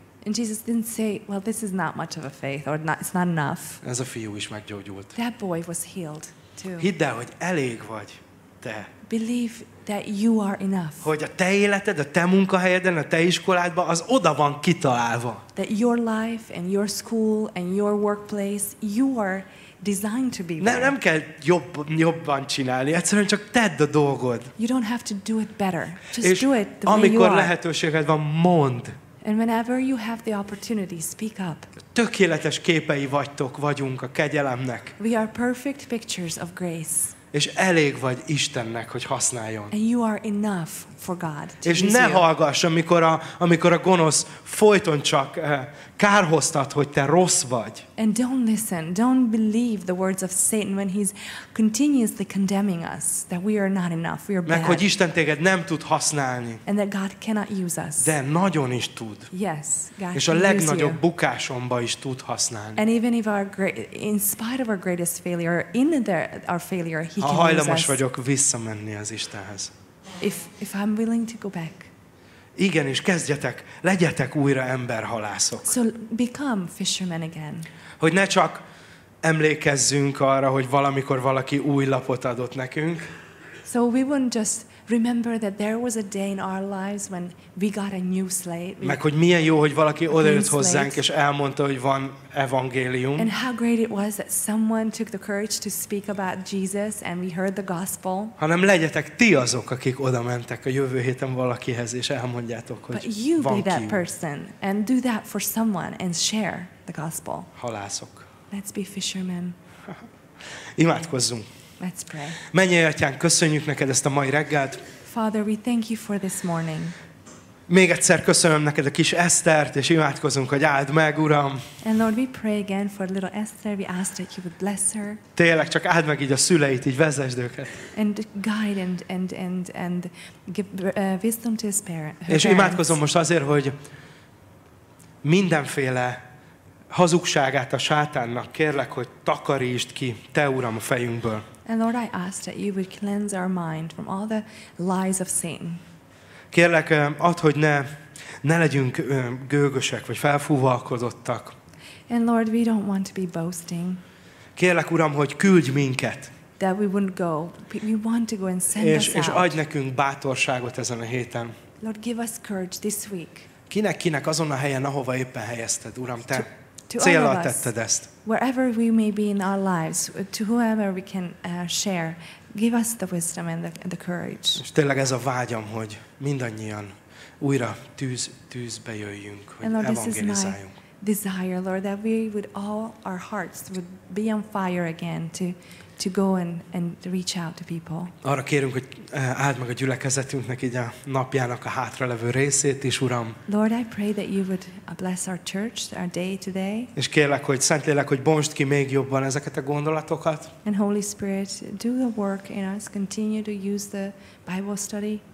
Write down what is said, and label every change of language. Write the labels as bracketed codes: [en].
[en] And Jesus didn't say, well, this is not much of a faith, or not, it's not enough. [hu] Ez a fiú is meggyógyult. [en] That boy was healed, too. [hu] Hidd el, hogy elég vagy. te. [en] Believe that you are enough. [hu] Hogy a te életed, a te munkahelyeden, a te iskoládban az oda van kitalálva. [en] That your life and your school and your workplace, you are designed to be there. [hu] Nem kell jobban csinálni, egyszerűen csak tedd a dolgod. [en] You don't have to do it better. Just [hu] és [en] do it the way you are. [hu] Amikor lehetőséged van, mondd. [en] And whenever you have the opportunity, speak up. [hu] Tökéletes képei vagytok, vagyunk a kegyelemnek. [en] We are perfect pictures of grace. [hu] És elég vagy Istennek, hogy használjon. [en] And you are enough for God to [hu] és ne hallgass, amikor a gonosz folyton csak kárhoztat, hogy te rossz vagy. [en] And don't listen, don't believe the words of Satan when he's continuously condemning us, that we are not enough, we are bad. [hu] Meg, hogy Isten téged nem tud használni. [en] And that God cannot use us. [hu] De nagyon is tud. [en] Yes, God [hu] és a legnagyobb bukásomba is tud használni. [en] And even if our great, in spite of our greatest failure, in our failure, he can use us. [hu] Ha hajlamos vagyok visszamenni az Istenhez. [en] If I'm willing to go back. [hu] Igen, és kezdjetek, legyetek újra emberhalászok. [en] So become fishermen again. [hu] Hogy ne csak emlékezzünk arra, hogy valamikor valaki új lapot adott nekünk. [en] So we wouldn't just remember that there was a day in our lives when we got a new slate. [hu] Meg hogy milyen jó, hogy valaki odajött hozzánk és elmondta, hogy van evangélium. [en] And how great it was that someone took the courage to speak about Jesus and we heard the gospel. [hu] Hanem legyetek ti azok, akik oda mentek a jövő héten valakihez és elmondjátok, hogy van ki. [en] But you be that person and do that for someone and share the gospel. [hu] Halászok. [en] Let's be fishermen. [hu] Imádkozzunk. [en] Let's pray. [hu] Mennyei Atyánk, köszönjük neked ezt a mai reggelt. [en] Father, we thank you for this morning. [hu] Még egyszer köszönöm neked a kis Esztert, és imádkozunk, hogy áld meg, Uram. [en] And Lord, we pray again for little Esther. We ask that you would bless her. [hu] Tényleg, csak áld meg így a szüleit, így vezesd őket. [en] And guide and give wisdom to his parents. [hu] És imádkozom most azért, hogy mindenféle hazugságát a sátánnak kérlek, hogy takarítsd ki, te Uram, a fejünkből. [en] And Lord, I ask that you would cleanse our mind from all the lies of Satan. [hu] Kérlek, add, hogy ne legyünk gőgösek, vagy felfúvalkodottak. [en] And Lord, we don't want to be boasting. [hu] Kérlek, Uram, hogy küldj minket. [en] That we wouldn't go. We want to go and send [hu] és, [en] us out. [hu] És adj nekünk bátorságot ezen a héten. [en] Lord, give us courage this week. [hu] Kinek azon a helyen, ahova éppen helyezted, Uram, te céllal tetted ezt. [en] Wherever we may be in our lives, to whoever we can share, give us the wisdom and the courage. [hu] És tényleg ez a vágyam, hogy mindannyian újra tűzbe jöjjünk, hogy evangelizáljunk. [en] And Lord, this is my desire, Lord, that we would all our hearts would be on fire again to go and reach out to people. [hu] Arra kérünk, hogy áld meg a gyülekezetünknek így a napjának a hátralevő részét is, Uram. [en] Lord, I pray that you would bless our church, our day today. [hu] És kérlek, hogy Szentlélek, hogy bontsd ki még jobban ezeket a gondolatokat. [en] And Holy Spirit, do the work in us, continue to use the Bible study.